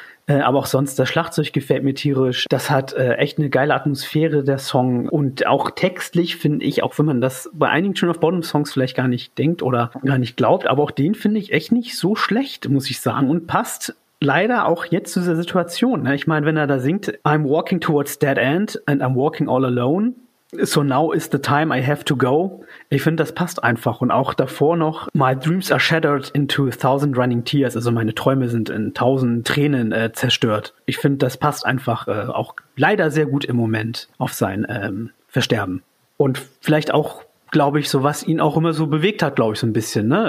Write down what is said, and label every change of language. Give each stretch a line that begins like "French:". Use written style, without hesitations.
German: Aber auch sonst, das Schlagzeug gefällt mir tierisch. Das hat echt eine geile Atmosphäre, der Song. Und auch textlich finde ich, auch wenn man das bei einigen Children of Bodom Songs vielleicht gar nicht denkt oder gar nicht glaubt, aber auch den finde ich echt nicht so schlecht, muss ich sagen. Und passt leider auch jetzt zu dieser Situation. Ich meine, wenn er da singt,
English: I'm walking towards dead end and I'm walking all alone. So now is the time I have to go.
German: Ich finde, das passt einfach. Und auch davor noch,
English: my dreams are shattered into 1000 running tears.
German: Also meine Träume sind in 1000 Tränen zerstört. Ich finde, das passt einfach auch leider sehr gut im Moment auf sein Versterben. Und vielleicht auch, glaube ich, so was ihn auch immer so bewegt hat, glaube ich, so ein bisschen. Ne?